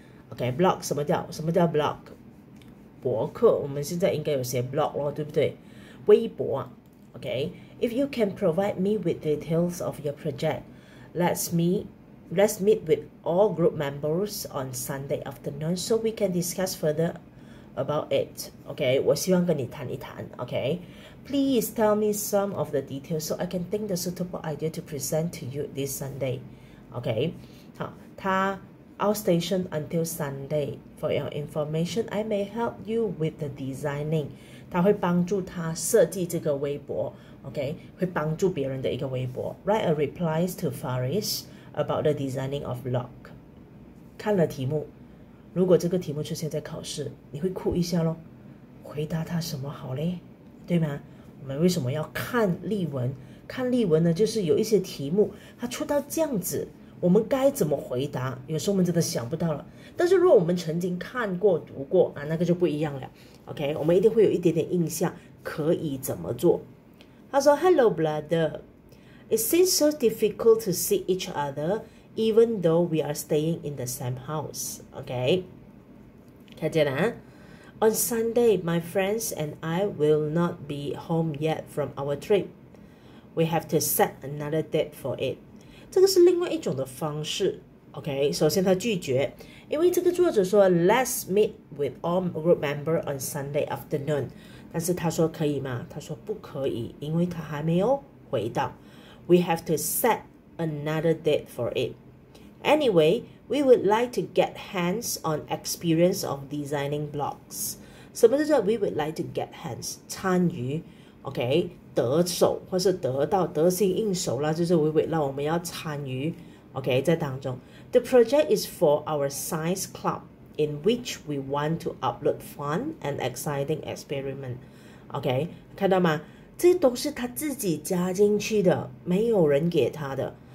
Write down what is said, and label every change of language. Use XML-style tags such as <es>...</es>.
<zh>OK， blog 什么叫 blog？ 博客，我们现在应该有写 blog 了，对不对？微博 ，OK.</zh> <en>If you can provide me with details of your project, let's meet with all group members on Sunday afternoon so we can discuss further about it. OK.</en> <zh>我希望跟你谈一谈 ，OK.</zh> <en>Please tell me some of the details so I can think the suitable idea to present to you this Sunday. OK.</en> <zh>好，他</zh> <en>outstation until Sunday. For your information, I may help you with the designing.</en> <zh>他会帮助他设计这个微博 ，OK， 会帮助别人的一个微博。</zh> <en>Write a reply to Faris about the designing of blog。</en> <zh>看了题目，如果这个题目出现在考试，你会哭一下咯，回答他什么好嘞，对吗？我们为什么要看例文？看例文呢，就是有一些题目它出到这样子，我们该怎么回答？有时候我们真的想不到了。但是如果我们曾经看过读过啊，那个就不一样了。 OK， 我们一定会有一点点印象可以怎么做。他说</zh> <en>Hello brother， It seems so difficult to see each other even though we are staying in the same house。</en> <zh>OK， 看见了。</zh> <en>On Sunday my friends and I will not be home yet from our trip。 We have to set another date for it。</en> <zh>这个是另外一种的方式 ，OK。首先，他拒绝，因为这个作者说</zh> <en>，Let's meet with all group member on Sunday afternoon。</en> <zh>但是他说可以吗？他说不可以，因为他还没有回到。</zh> <en>We have to set another date for it. Anyway, we would like to get hands on experience of designing blocks。</en> <zh>什么叫做</zh> <en>we would like to get hands</en> <zh>参与</zh> <en>，OK？</en> <zh>得手或是得到得心应手啦，就是微微让我们要参与 OK 在当中。</zh> <en>The project is for our science club in which we want to upload fun and exciting experiment。</en> <zh>OK， 看到吗？这都是他自己加进去的，没有人给他的。</zh>